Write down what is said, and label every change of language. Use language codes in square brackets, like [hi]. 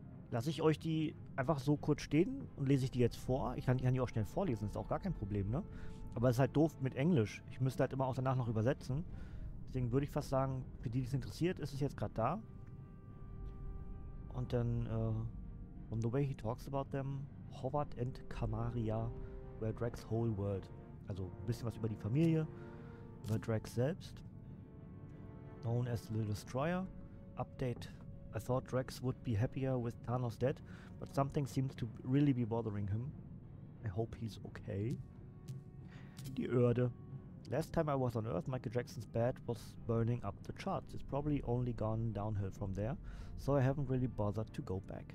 [de] Lasse ich euch die einfach so kurz stehen und lese ich die jetzt vor. Ich kann die auch schnell vorlesen, ist auch gar kein Problem, ne? Aber es ist halt doof mit Englisch. Ich müsste halt immer auch danach noch übersetzen. Deswegen würde ich fast sagen, für die, die es interessiert, ist es jetzt gerade da. Und dann, [en] on the way he talks about them, Howard and Camaria were Drax's whole world. [de] Also ein bisschen was über die Familie, über Drax selbst. [en] Known as the Destroyer. Update. I thought Drax would be happier with Thanos dead, but something seems to really be bothering him. I hope he's okay. [de] Die Erde. [en] Last time I was on Earth, Michael Jackson's bed was burning up the charts. It's probably only gone downhill from there, so I haven't really bothered to go back.